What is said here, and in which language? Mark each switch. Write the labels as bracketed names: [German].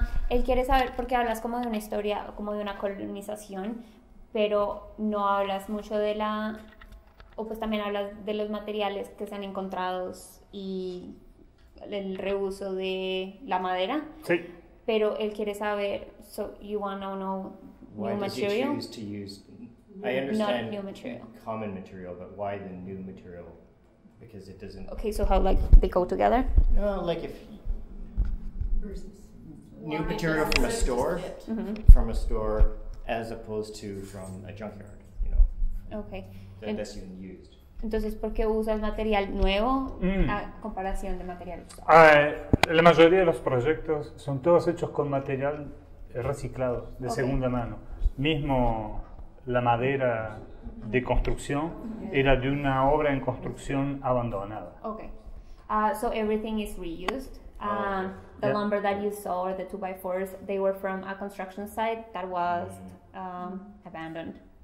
[Spanish] Él quiere saber por qué hablas como de una historia, como de una colonización, pero no hablas mucho de la, o pues también hablas de los materiales que se han encontrado y el reuso de la madera. Sí. Pero él quiere saber, [English] so you want to know new material? Why did you choose to use, I understand new material. Common material, but why the new material because it doesn't. Okay, so how like they go together? No, like if new material from a store, from a store, as opposed to from a junkyard, you know. Okay. That's even used. [Spanish] Entonces, ¿por qué usas material nuevo a comparación de material usado? La mayoría de los proyectos son todos hechos con material reciclado, de segunda mano. Mismo la madera de construcción era de una obra en construcción abandonada. [English] Okay. So everything is reused. The lumber that you saw, the 2x4s, they were from a construction site that was abandoned.